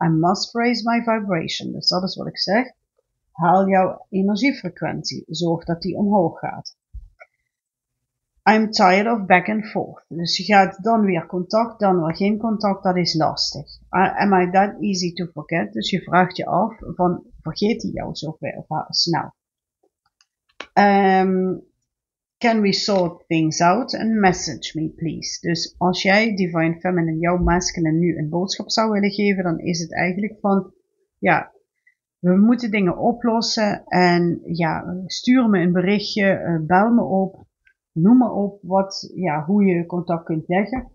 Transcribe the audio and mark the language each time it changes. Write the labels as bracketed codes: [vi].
[en] I must raise my vibration. [nl] Dus dat is wat ik zeg. Haal jouw energiefrequentie. Zorg dat die omhoog gaat. [en] I'm tired of back and forth. [nl] Dus je gaat dan weer contact, dan weer geen contact. Dat is lastig. [en] Am I that easy to forget? [nl] Dus je vraagt je af, van vergeet hij jou zo snel? [en] Can we sort things out and message me, please? [nl] Dus als jij Divine Feminine, jouw masculine, nu een boodschap zou willen geven, dan is het eigenlijk van, ja, we moeten dingen oplossen en ja, stuur me een berichtje, bel me op. Noem maar op wat, ja, hoe je contact kunt leggen.